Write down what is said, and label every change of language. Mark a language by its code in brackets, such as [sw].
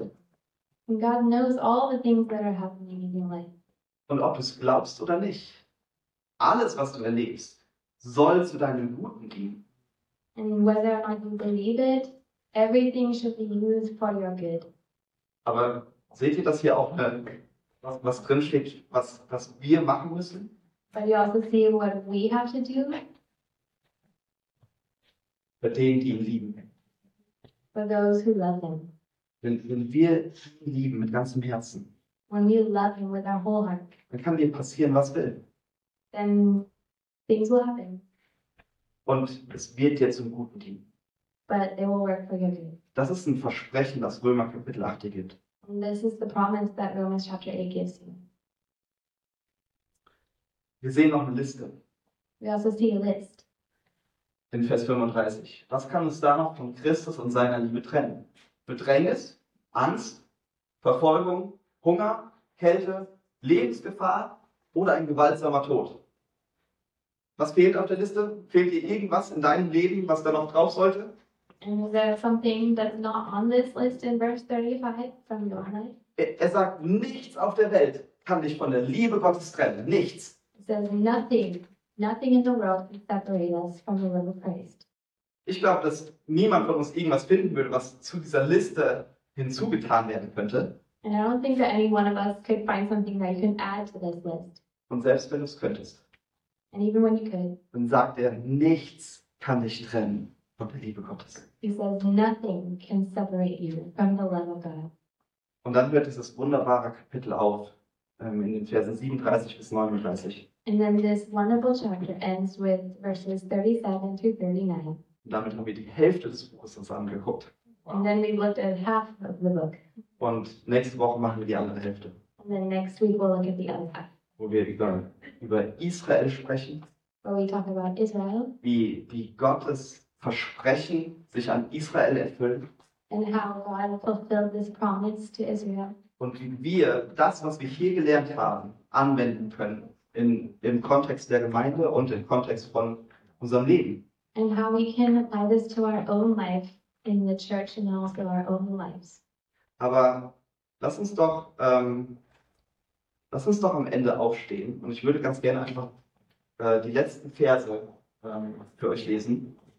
[en] And God knows all the things that are happening in your life. [de] Und ob du es glaubst oder nicht, alles, was du erlebst, soll zu deinem Guten dienen. [en] And whether or not you believe it, everything should be used for your good. [de] Aber seht ihr das hier auch, was drinsteht, was wir machen müssen? [en] But you also see what we have to do? [de] Bei denen, die ihn lieben. [en] For those who love him. [de] Wenn wir ihn lieben mit ganzem Herzen, [en] when we love him with our whole heart, [de] dann kann dir passieren, was will. [en] Then things will happen. [de] Und es wird dir zum Guten dienen. [en] But it will work for your good. [de] Das ist ein Versprechen, das Römer Kapitel 8 dir gibt. [en] And this is the promise that Romans chapter 8 gives you. [de] Wir sehen noch eine Liste. [en] We also see a list. [de] In Vers 35. Was kann uns da noch von Christus und seiner Liebe trennen? Bedrängnis, Angst, Verfolgung, Hunger, Kälte, Lebensgefahr oder ein gewaltsamer Tod? Was fehlt auf der Liste? Fehlt dir irgendwas in deinem Leben, was da noch drauf sollte? [en] Is there something that's not on this list in verse 35 from Johannes? [de] Er sagt, nichts auf der Welt kann dich von der Liebe Gottes trennen. Nichts. [en] It says nothing in the world can separate us from the love of Christ. [de] Ich glaube, dass niemand von uns irgendwas finden würde, was zu dieser Liste hinzugetan werden könnte. [en] And I don't think that any one of us could find something that you can add to this list. [de] Und selbst wenn du es könntest. [en] And even when you could. [de] Dann sagt er, nichts kann dich trennen von der Liebe Gottes. [en] He says, nothing can separate you from the love of God. [de] Und dann hört dieses wunderbare Kapitel auf, in den Versen 37 bis 39. [en] And then this wonderful chapter ends with verses 37 to 39. [de] Und damit haben wir die Hälfte des Buches uns angeguckt. Wow. [en] And then we looked at half of the book. [de] Und nächste Woche machen wir die andere Hälfte. [en] And then next week we'll look at the other half. [de] Wo wir über Israel sprechen. [en] Where we talk about Israel. [de] Wie Gottes Versprechen sich an Israel erfüllen. [en] And how God fulfilled this promise to Israel. [de] Und wie wir das, was wir hier gelernt haben, anwenden können. Im Kontext der Gemeinde und im Kontext von unserem Leben. [en] And how we can apply this to our own life in the church and also our own lives. [de] Aber lass uns doch am Ende aufstehen und ich würde ganz gerne einfach die letzten Verse für euch lesen.